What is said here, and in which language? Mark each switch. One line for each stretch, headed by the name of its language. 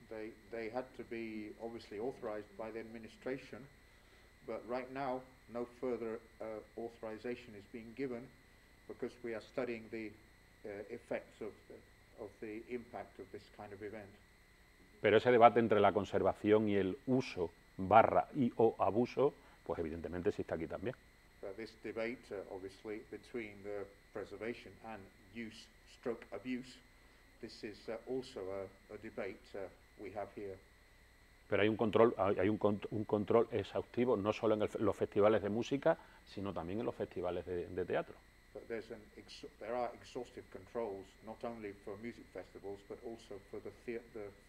English: They had to be obviously authorized by the administration, but right now no further authorization is being given because we are studying the effects of the impact of this kind of event.
Spanish: Pero ese debate entre la conservación y el uso barra y o abuso, pues evidentemente existe aquí también.
English: This debate, obviously, between the preservation and use stroke abuse, this is also a debate we have here.
Spanish: Pero hay un control exhaustivo, no solo en los festivales de música, sino también en los festivales de teatro.
English: But there are exhaustive controls, not only for music festivals, but also for the theater.